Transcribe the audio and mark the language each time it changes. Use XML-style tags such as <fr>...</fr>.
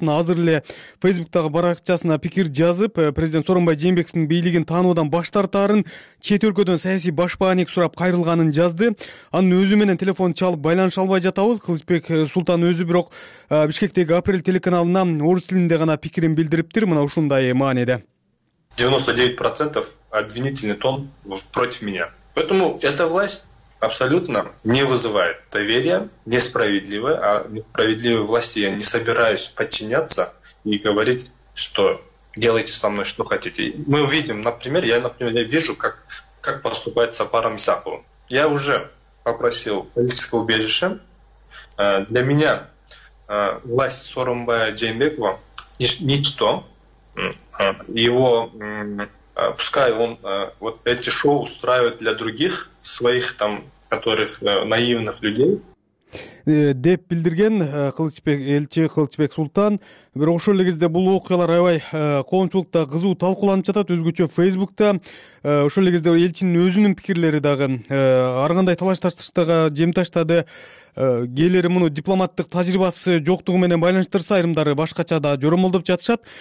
<ky>Азыр эле Facebook-тагы баракчасына пикир жазып, президент Сооронбай Жээнбековдун бийлигин таануудан баш тартаарын, чет өлкөдөн саясий башпааник сурап кайрылганын жазды. Анын өзү менен телефон чалып байланыша албай жатабыз. Кылычбек Султан өзү бирок Бишкектеги Апрель телеканалына орус тилинде гана пикирин билдириптир. Мына ушундай мааниде.</ky> <ru>99% обвинительный тон против меня. Поэтому эта власть абсолютно не вызывает доверия, несправедливая, а несправедливой власти я не собираюсь подчиняться и говорить, что делайте со мной что хотите. Мы увидим, например, я вижу, как поступает с Сапаром Исаковым. Я уже попросил политическое убежище. Для меня власть Сооронбая Жээнбекова ничто. Его пускай он вот эти шоу устраивает для других своих там которых наивных людей</ru> <ky>деп билдирген Кылычбек элчи Кылычбек Султан. Бирок ошол эле кезде бул окуялар аябай коомчулукта кызуу талкууланып жатат. Өзгөчө Facebook'ta ошол эле кезде элчинин өзүнүн пикирлери дагы ар кандай талаш тартыштарга жем таштады. Кээлери муну дипломаттык тажрыйбасы жоктугу менен байланыштырса, айрымдары башкача да жоромолдоп жатышат.</ky>